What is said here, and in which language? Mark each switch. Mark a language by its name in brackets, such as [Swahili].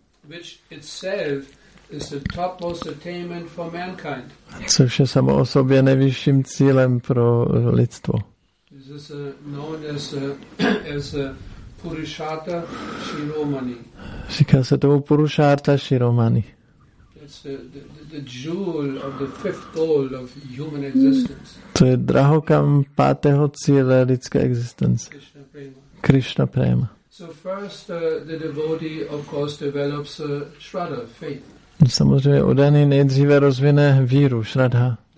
[English] Which itself is the topmost attainment for mankind. [Czech] Což je samo o sobě nejvyšším cílem pro lidstvo. [English] This is known as Purushartha Shiromani. [Czech] Říká se tomu Purushartha Shiromani. [English] It's the jewel of the fifth goal of human existence. [Czech] To je drahokam pátého cíle lidské existence. [Sanskrit] Krishna prema. [English] So first the devotee of course develops a shraddha, faith. [Czech] Samozřejmě oddaný nejdříve rozvine víru, šradha.